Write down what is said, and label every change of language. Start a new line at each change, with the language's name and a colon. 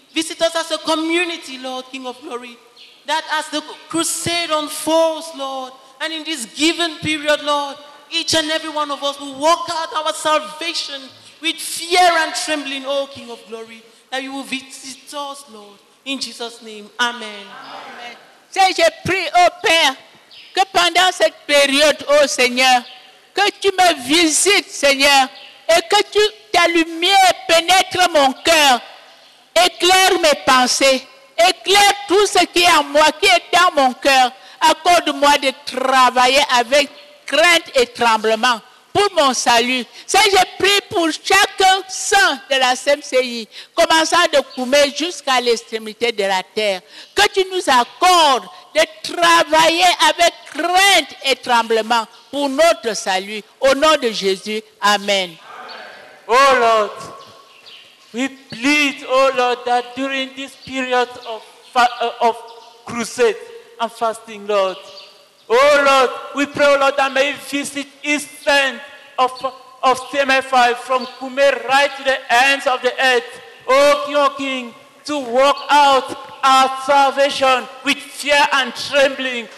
English: Visit us as a community, Lord, King of Glory. That as the crusade unfolds, Lord, and in this given period, Lord, each and every one of us will walk out our salvation with fear and trembling, O King of Glory, that you will visit us, Lord, in Jesus' name. Amen. Amen.
French: Je prie, ô Père, que pendant cette période, ô Seigneur, que tu me visites, Seigneur, et que tu, ta lumière pénètre mon cœur, éclaire mes pensées, éclaire tout ce qui est en moi, qui est dans mon cœur. Accorde-moi de travailler avec crainte et tremblement pour mon salut. Seigneur, je prie pour chaque saint de la CMCI, commençant de Koumé jusqu'à l'extrémité de la terre, que tu nous accordes de travailler avec crainte et tremblement pour notre salut. Au nom de Jésus, amen.
English: Oh Lord, we plead, oh Lord, that during this period of crusade and fasting, Lord, oh Lord, we pray, oh Lord, that may visit each saint of CMFI from Koumé right to the ends of the earth, oh King, oh King, to walk out our salvation with fear and trembling.